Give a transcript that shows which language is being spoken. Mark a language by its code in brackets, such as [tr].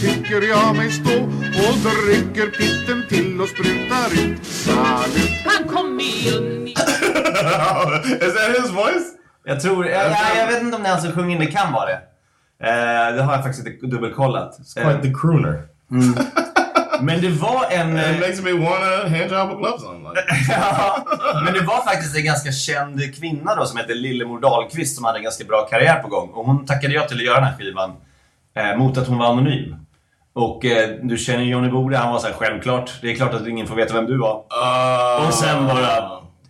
[sv] Tycker jag mig stå. Och då rycker pitten till och sprutar ut salut. Han kom i juni. [en] Is that his voice? [sv] Jag tror, jag vet inte om det är han som sjunger, det kan vara det. Det har jag faktiskt inte dubbelkollat. [en] It's quite the crooner. [sv] Mm. Men det var en... [en] It makes me wanna handjob with gloves on. Like. [sv] Men det var faktiskt en ganska känd kvinna då som heter Lillemor Dahlqvist som hade en ganska bra karriär på gång. Och hon tackade jag till att göra den här skivan mot att hon var anonym. Och du känner Johnny Bode, han var så här, självklart. Det är klart att ingen får veta vem du var. Och sen bara...